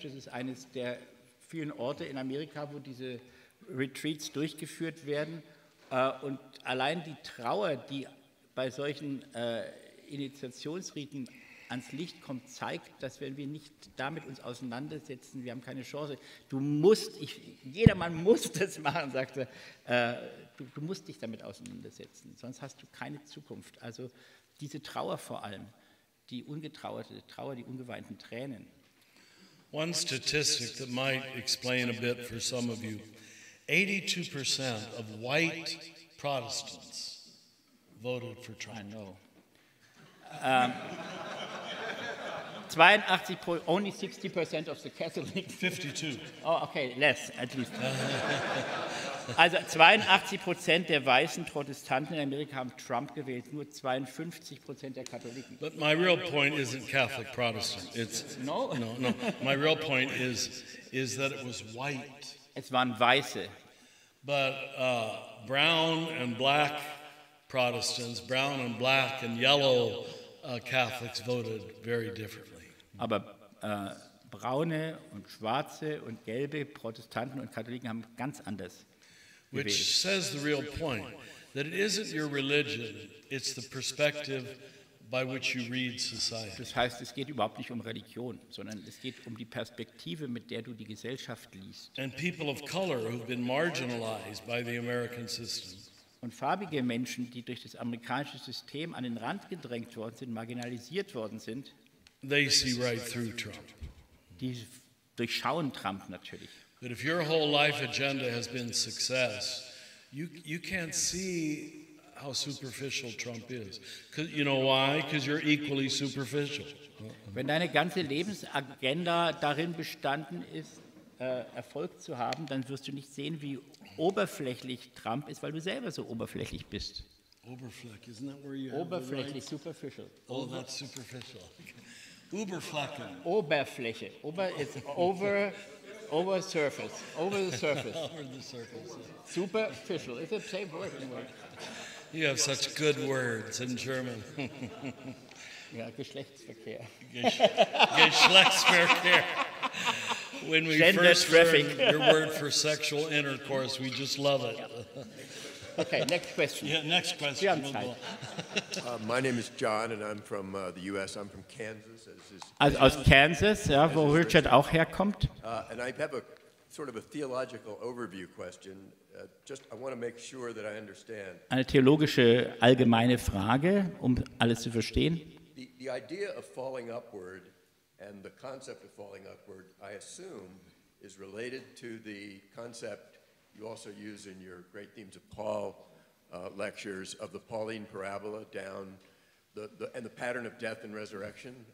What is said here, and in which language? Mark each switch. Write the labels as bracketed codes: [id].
[de] Das ist eines der vielen Orte in Amerika, wo diese Retreats durchgeführt werden, und allein die Trauer, die bei solchen Initiationsriten ans Licht kommt, zeigt, dass wenn wir nicht damit uns auseinandersetzen, wir haben keine Chance. Du musst, jedermann muss das machen, sagt er, du musst dich damit auseinandersetzen, sonst hast du keine Zukunft. Also diese Trauer vor allem, die ungetrauerte Trauer, die ungeweinten Tränen. [en] One statistic that might explain a bit for some of you. 82% of white Protestants voted for Trump. I know. 82, only 60% of the Catholics. 52. Oh, okay, less, at least. [de] Also 82% der weißen Protestanten in Amerika haben Trump gewählt, nur 52% der Katholiken. [en] But my real point isn't Catholic Protestant. It's no. No. My real point is that it was white. [de] Es waren weiße. [en] But brown and black Protestants, brown and black and yellow Catholics voted very differently. [de] Aber braune und schwarze und gelbe Protestanten und Katholiken haben ganz anders. [en] Which says the real point, that it isn't your religion, it's the perspective by which you read society. [de] Das heißt, es geht überhaupt nicht um Religion, sondern es geht um die Perspektive, mit der du die Gesellschaft liest. [en] And people of color who've been marginalized by the American system. [de] Und farbige Menschen, die durch das amerikanische System an den Rand gedrängt worden sind, marginalisiert worden sind, [en] they see right through Trump. [de] Die durchschauen Trump natürlich. [en] But if your whole life agenda has been success, you can't see how superficial Trump is. You know why? Because you're equally superficial. [de] Wenn deine ganze Lebensagenda darin bestanden ist, Erfolg zu haben, dann wirst du nicht sehen, wie oberflächlich Trump ist, weil du selber so oberflächlich bist. [en] Oberflächlich, isn't that where you're [de] oberflächlich, superficial. [en] Oh, that's superficial. Oberflächen. [de] Oberfläche. Ober ist [en] over. Over the surface. Over the surface. Over the surface. Superficial. It's the same word. You have such good words in German. [de] Ja, Geschlechtsverkehr. [en] Geschlechtsverkehr. When we Gender first traffic. Heard your word for sexual intercourse, we just love it. Okay, next question. Yeah, next question. My name is John, and I'm from the U.S. I'm from Kansas. [de] Also aus Kansas, ja, wo Richard auch herkommt. [en] And I have a sort of a theological overview question. Just I want to make sure that I understand. [de] Eine theologische allgemeine Frage, um alles zu verstehen. [en] The idea of falling upward and the concept of falling upward, I assume, is related to the concept you also use in your great themes of Paul lectures of the Pauline parabola down and the pattern of death and resurrection.